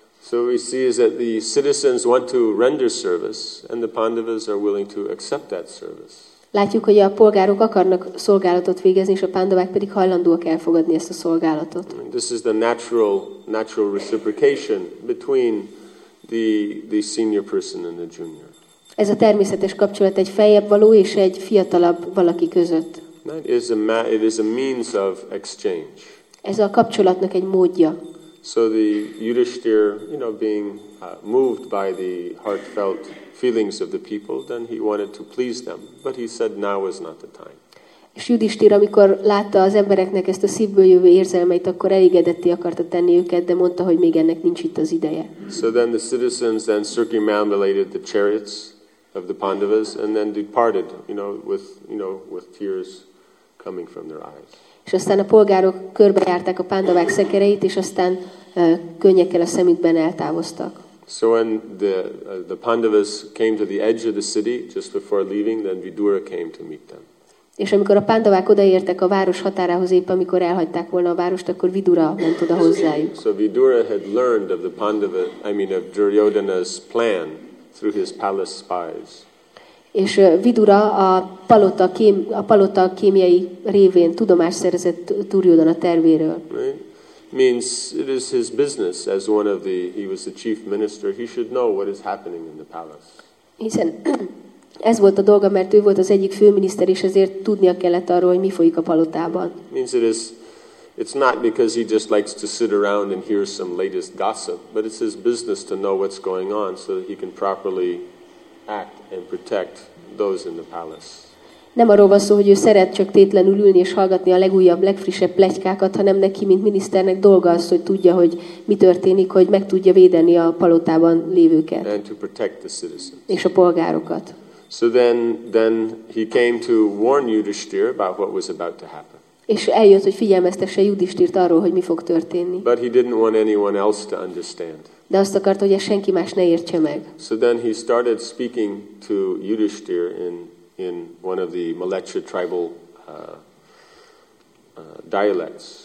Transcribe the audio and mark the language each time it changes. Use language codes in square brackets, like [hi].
[en] So we see is that the citizens want to render service, and the Pandavas are willing to accept that service. [hu] Látjuk, hogy a polgárok akarnak szolgálatot végezni, és a pándavák pedig hajlandóak elfogadni ezt a szolgálatot. [en] This is the natural reciprocation between the senior person and the junior. [hu] Ez a természetes kapcsolat egy feljebb való és egy fiatalabb valaki között. [en] It is a means of exchange. [hu] Ez a kapcsolatnak egy módja. [en] So the Yudhishthir, you know, being moved by the heartfelt feelings of the people, then he wanted to please them, but he said now is not the time. [hu] És Yudhishthir, amikor látta az embereknek ezt a szívből jövő érzelmeit, akkor elégedetté akarta tenni őket, de mondta, hogy még ennek nincs itt az ideje. [en] So then the citizens then circumambulated the chariots of the Pandavas and then departed, with tears coming from their eyes. [hu] És aztán a polgárok körbejárták a pándavák szekereit, és aztán könnyekkel a szemükben eltávoztak. [en] So when the Pandavas came to the edge of the city just before leaving, then Vidura came to meet them. [hu] És amikor a pándavák odaértek a város határához épp, amikor elhagyták volna a várost, akkor Vidura ment oda hozzájuk. [en] So Vidura had learned of the of Duryodhana's plan through his palace spies. [hu] És Vidura a palota kémiai révén tudomást szerzett Duryodhana tervéről. [en] Means it is his business as one of the he was the chief minister, he should know what is happening in the palace. [hu] Hiszen ez volt a dolga, mert ő volt az egyik főminiszter, és ezért tudnia kellett arról, hogy mi folyik a palotában. [en] Means it's not because he just likes to sit around and hear some latest gossip, but it's his business to know what's going on so that he can properly act and protect those in the palace. [hu] Nem arról van szó, hogy ő szeret csak tétlenül ülni és hallgatni a legújabb, legfrissebb pletykákat, hanem neki, mint miniszternek dolga az, hogy tudja, hogy mi történik, hogy meg tudja védeni a palotában lévőket. [en] And to protect the citizens. [hu] És a polgárokat. [en] So then he came to warn Yudhishthir about what was about to happen. [hu] És eljött, hogy figyelmeztesse Yudhishthirt arról, hogy mi fog történni. [en] But he didn't want anyone else to understand. [hu] De azt akarta, hogy ezt senki más ne értse meg. [en] So then he started speaking to Yudhishthir in one of the Malecha tribal dialects.